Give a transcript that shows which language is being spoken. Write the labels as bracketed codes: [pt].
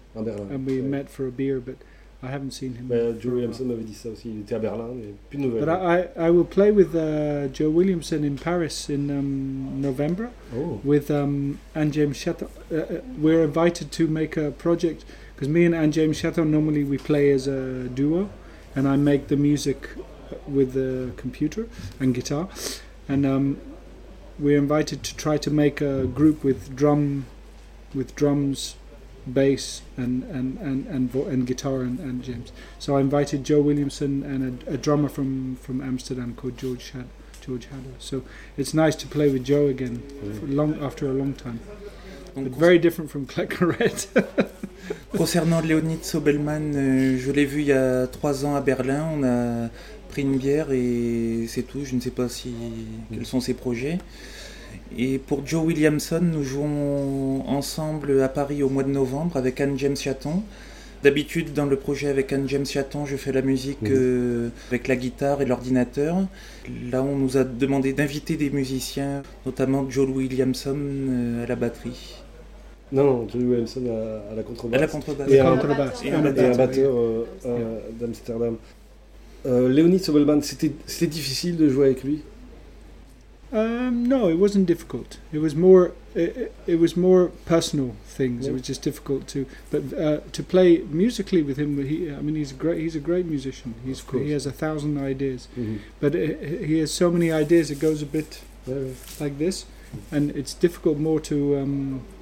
[fr] En Berlin. Et nous avons rencontré pour une bière, mais je n'ai pas vu. Joe Williamson m'avait dit ça aussi. Il était à Berlin, mais plus de nouvelles. Mais je vais jouer avec Joe Williamson en Paris en novembre. Oh. Avec Anne-James Chateau. Nous sommes invités à faire un projet. [en] Because me and Anne-James Chateau, normally we play as a duo, and I make the music with the computer and guitar. And we're invited to try to make a group with drums, bass, and guitar and James. So I invited Joe Williamson and a drummer from Amsterdam called George Haddo. So it's nice to play with Joe again, after a long time. But very different from Claude Carrel. [fr] Concernant Leonid Sobelman, je l'ai vu il y a 3 ans à Berlin. On a pris une bière et c'est tout. Je ne sais pas quels sont ses projets. Et pour Joe Williamson, nous jouons ensemble à Paris au mois de novembre avec Anne-James Chaton. D'habitude, dans le projet avec Anne-James Chaton, je fais la musique avec la guitare et l'ordinateur. Là, on nous a demandé d'inviter des musiciens, notamment Joe Williamson à la batterie. Non, Joe Williamson à la contrebasse. À la contrebasse. Et un batteur d'Amsterdam. Leonid Sobelman, c'était difficile de jouer avec lui? [en] No, it wasn't difficult. It was more personal things. Yeah. It was just difficult to play musically with him. He's a great musician. He has 1,000 ideas, mm-hmm. but he has so many ideas it goes a bit like this, and it's difficult more to.